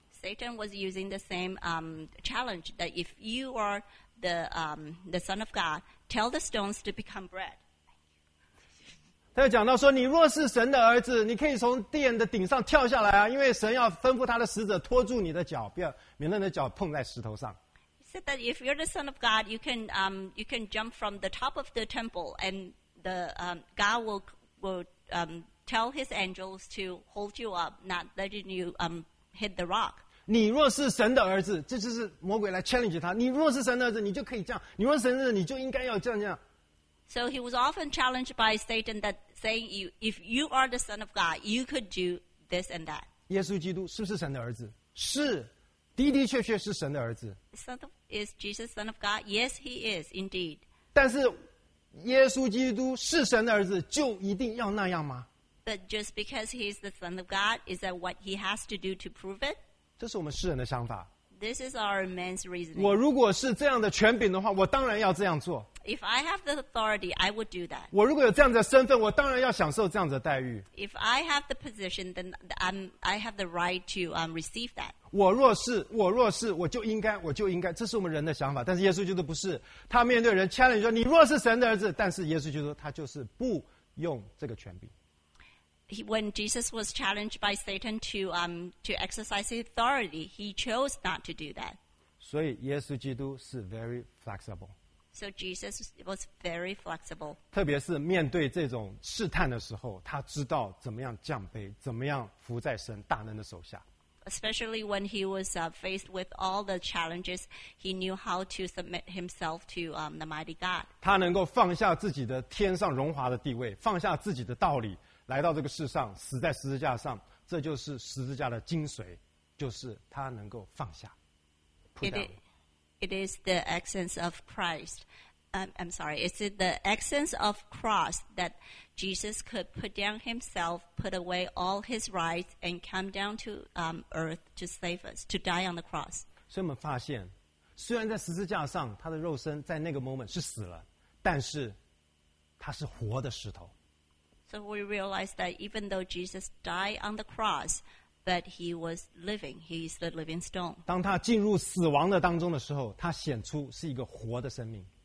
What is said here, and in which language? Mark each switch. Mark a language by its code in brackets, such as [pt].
[en] Satan was using the same challenge that if you are the son of God, tell the stones to become bread. [zh] 他又讲到说，你若是神的儿子，你可以从殿的顶上跳下来啊，因为神要吩咐他的使者托住你的脚，不要免得你的脚碰在石头上。 [en] Said that if you're the son of God, you can jump from the top of the temple, and the God will tell his angels to hold you up, not letting you hit the rock. [zh] 你若是神的儿子，这就是魔鬼来 challenge 他。你若是神的儿子，你就可以这样。你若是神的儿子，你就应该要这样这样。 [en] So he was often challenged by Satan that saying you, if you are the son of God, you could do this and that. [zh] 耶稣基督是不是神的儿子？是。的的确确是神的儿子。 [en] Is Jesus son of God? Yes, he is indeed. [zh] 但是耶稣基督是神的儿子，就一定要那样吗？ [en] But just because he is the son of God, is that what he has to do to prove it? [zh] 这是我们世人的想法。 [en] This is our man's reasoning. [zh] 我如果是这样的权柄的话，我当然要这样做。 [en] If I have the authority, I would do that. [zh] 我如果有这样的身份，我当然要享受这样的待遇。 [en] If I have the position, then I have the right to receive that. [zh] 我若是，我就应该，这是我们人的想法。但是耶稣基督不是，他面对人 challenge 说：“你若是神的儿子。” 但是耶稣基督他就是不用这个权柄。 [en] When Jesus was challenged by Satan to exercise his authority, he chose not to do that. [zh] 所以耶稣基督是 [en] very flexible. So Jesus was very flexible. [zh] 特别是面对这种试探的时候，他知道怎么样降卑，怎么样服在神大能的手下。 [en] Especially when he was faced with all the challenges, he knew how to submit himself to the mighty God. [zh] 他能够放下自己的天上荣华的地位，放下自己的道理，来到这个世上，死在十字架上。这就是十字架的精髓，就是他能够放下。 [en] It is the essence of Christ. I'm sorry. Is it the essence of cross that Jesus could put down himself, put away all his rights, and come down to earth to save us, to die on the cross? [zh] 所以我们发现，虽然在十字架上，他的肉身在那个 moment 是死了，但是他是活的石头。 [en] So we realize that even though Jesus died on the cross, But he was living. He is the living stone. [zh] 当他进入死亡的当中的时候, 他显出是一个活的生命。